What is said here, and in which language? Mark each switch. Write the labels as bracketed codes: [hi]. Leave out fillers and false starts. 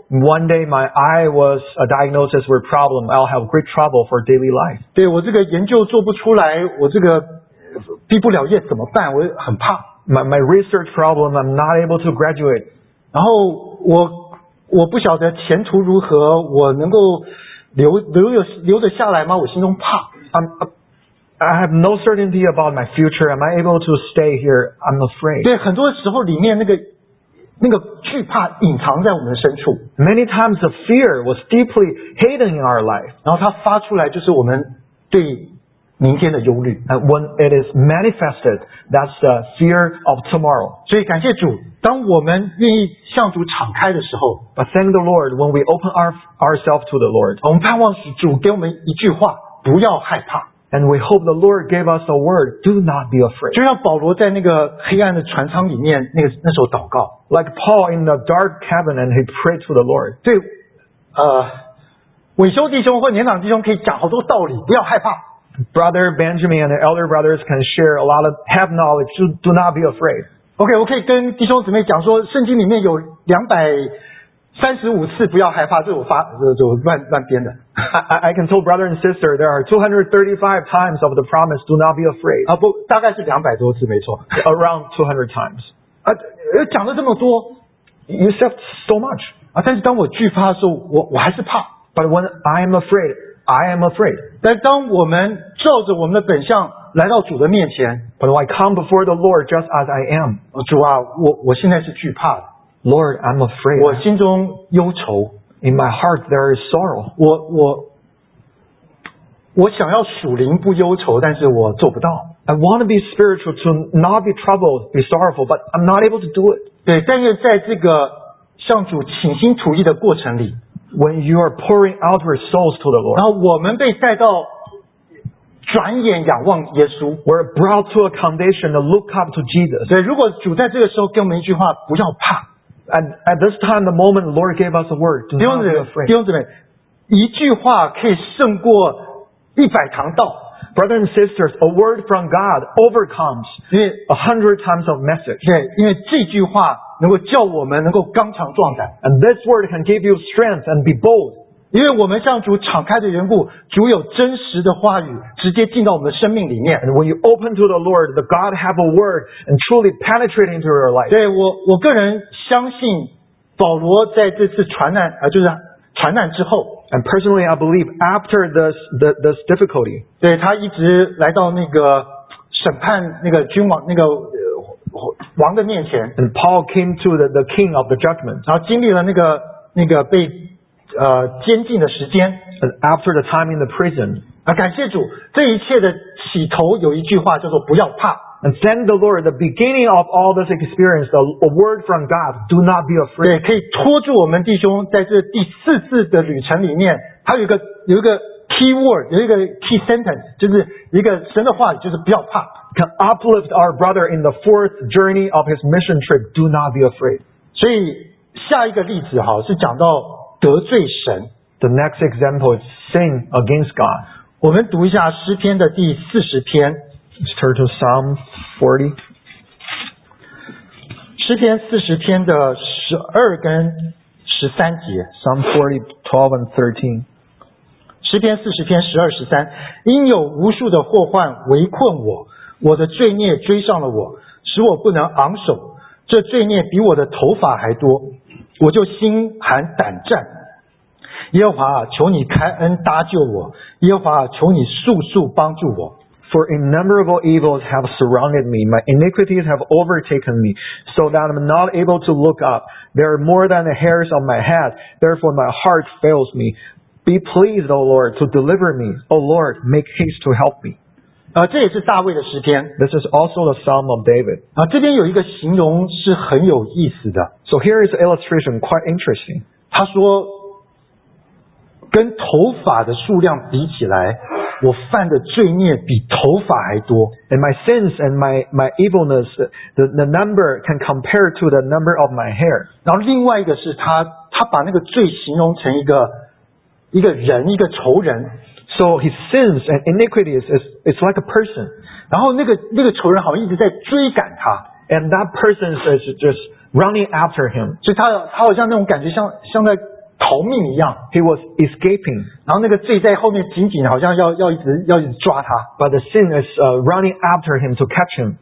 [en] One day my eye was a diagnosis with a problem. I'll have great trouble for daily life. [zh] 对我这个研究做不出来，我这个毕不了业怎么办？我很怕。 [en] My research problem. I'm not able to graduate. [zh] 然后我不晓得前途如何，我能够留得下来吗？我心中怕。 [en] I have no certainty about my future. Am I able to stay here? I'm afraid. [zh] 对，很多时候里面那个惧怕隐藏在我们的深处。 [en] Many times the fear was deeply hidden in our life. [zh] 然后它发出来就是我们对明天的忧虑。 [en] And when it is manifested, that's the fear of tomorrow. [zh] 所以感谢主。当我们愿意向主敞开的时候 [en] But thank the Lord when we open ourselves to the Lord [zh] 我们盼望主给我们一句话不要害怕 [en] And we hope the Lord gave us a word Do not be afraid [zh] 就像保罗在那个黑暗的船舱里面那时候祷告 [en] Like Paul in the dark cabin and he prayed to the Lord [zh] 对伟修弟兄或年长弟兄可以讲好多道理不要害怕 [en] Brother Benjamin and the elder brothers can share a lot of have knowledge Do not be afraid [zh] OK, 我可以跟弟兄姊妹讲说圣经里面有235次不要害怕这是我发这是我乱编的。 [en] I can tell brother and sister, there are 235 times of the promise, do not be afraid. [zh] 不大概是200多次没错。 [en] Around 200 times. [zh] 讲了这么多 [en] ,you said so much. [zh] 但是当我惧怕的时候我还是怕。 [en] But when I am afraid, I am afraid. [zh] 但当我们照着我们的本相来到主的面前 [en] But I come before the Lord just as I am [zh] 主啊 我现在是惧怕的 [en] Lord I'm afraid [zh] 我心中忧愁 [en] In my heart there is sorrow [zh] 我想要属灵不忧愁但是我做不到 [en] I want to be spiritual to not be troubled be sorrowful but I'm not able to do it [zh] 对但是在这个向主倾心吐意的过程里 [en] When you are pouring out your souls to the Lord [zh] 然后我们被带到转眼仰望耶稣 [en] We're brought to a condition to look up to Jesus [zh] 对如果主在这个时候给我们一句话不要怕 [en] And at this time the moment the Lord gave us a word Do not be afraid [zh] 弟兄姊妹一句话可以胜过一百堂道。 [en] Brothers and sisters, a word from God overcomes 100 times of message. [zh] 对，因为这句话能够叫我们能够刚强壮胆。 [en] And this word can give you strength and be bold. [zh] 因为我们向主敞开的缘故，主有真实的话语直接进到我们的生命里面。 [en] And when you open to the Lord, the God have a word and truly penetrate into your life. [zh] 对，我个人相信保罗在这次传难啊，就是传难之后。 [en] And personally, I believe after this difficulty, [zh] 对他一直来到那个审判那个君王那个王的面前。 [en] And Paul came to the king of the judgment. [zh] 然后经历了那个被监禁的时间。 [en] And after the time in the prison. [zh] 啊，感谢主，这一切的起头有一句话叫做不要怕。 [en] And thank the Lord, the beginning of all this experience, the word from God, do not be afraid. [zh] 对，可以拖住我们弟兄在这第四次的旅程里面，它有一个 [en] key word, [zh] 有一个 [en] key sentence, [zh] 就是一个神的话语，就是不要怕。 [en] Can uplift our brother in the fourth journey of his mission trip, do not be afraid. [zh] 所以下一个例子哈，是讲到得罪神。 [en] The next example is sin against God. [zh] 我们读一下诗篇的第四十篇。 [en] Let's turn to Psalm 40. [zh] 诗篇四十篇的十二跟十三节。 [en] Psalm 40, 12 and 13. [zh] 诗篇四十篇十二十三，因有无数的祸患围困我，我的罪孽追上了我，使我不能昂首。这罪孽比我的头发还多，我就心寒胆战。耶和华啊，求你开恩搭救我，耶和华啊，求你速速帮助我。 [en] For innumerable evils have surrounded me, my iniquities have overtaken me, so that I'm not able to look up. There are more than the hairs on my head, therefore my heart fails me. Be pleased, O Lord, to deliver me. O Lord, make haste to help me. [zh] 这也是大卫的诗篇。 [en] This is also the Psalm of David. [zh] 这边有一个形容是很有意思的。 [en] So here is an illustration, quite interesting. [zh] 他说，跟头发的数量比起来，我犯的罪孽比头发还多。 [en] And my sins and my evilness, the number can compare to the number of my hair. [zh] 然后另外一个是他把那个罪形容成一个人，一个仇人。 [en] So his sins and iniquities is like a person. [zh] 然后那个仇人好像一直在追赶他。 [en] And that person is just running after him. [zh] 所以他好像那种感觉像在逃命一样。 [en] He was escaping. [zh] 然后那个罪在后面紧紧好像要一直抓他。 [en] But the sin is running after him to catch him.